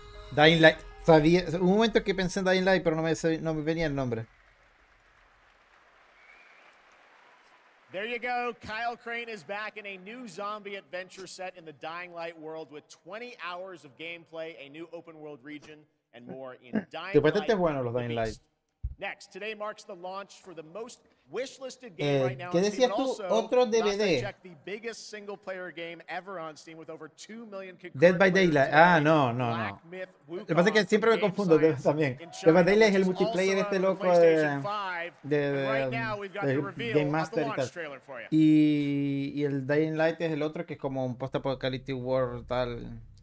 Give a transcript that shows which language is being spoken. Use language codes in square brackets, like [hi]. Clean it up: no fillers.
[es] Dying Light. Sabía, un momento que pensé en Dying Light, pero no me venía el nombre. [en] There you go. Kyle Crane is back in a new zombie adventure set in the Dying Light world with 20 hours of gameplay, a new open world region, and more in Dying Light. [es] Después bueno los Dying Light. [en] Next, today marks the launch for the most wishlisted game right now. [es] ¿Qué decías tú? Otro DVD. [en] Check the biggest single player game ever on Steam with over 2 million concurrent. [es] Dead by Daylight. Ah, no. Lo que pasa es que siempre me confundo también. Dead by Daylight es el multiplayer este loco de Game Master y tal. Y el Dying Light es el otro que es como un [en] post apocalyptic world [es] tal.